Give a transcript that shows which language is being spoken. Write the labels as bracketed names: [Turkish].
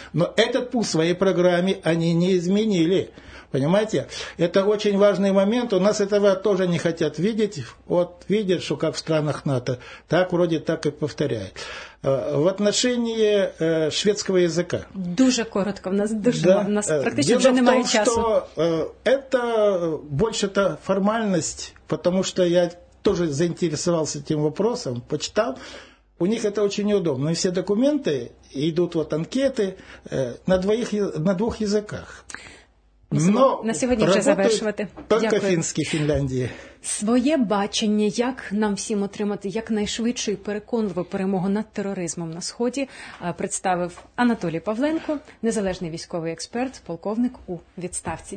[Russian] Но этот пункт в своей программе они не изменили. Понимаете? Это очень важный момент. У нас этого тоже не хотят видеть. Вот видят, что как в странах НАТО, так вроде так и повторяют. В отношении шведского языка. [Ukrainian] Дуже коротко. У нас практически уже немає часу. [Russian] Дело в том, что это больше-то формальность, потому что я тоже заинтересовался этим вопросом, почитал. У них это очень неудобно. И все документы, идут вот анкеты на двух языках. [Ukrainian] Но на сьогодні вже завершувати. Тільки фінські Фінляндії. Своє бачення, як нам всім отримати якнайшвидшу і переконливу перемогу над тероризмом на Сході, представив Анатолій Павленко, незалежний військовий експерт, полковник у відставці.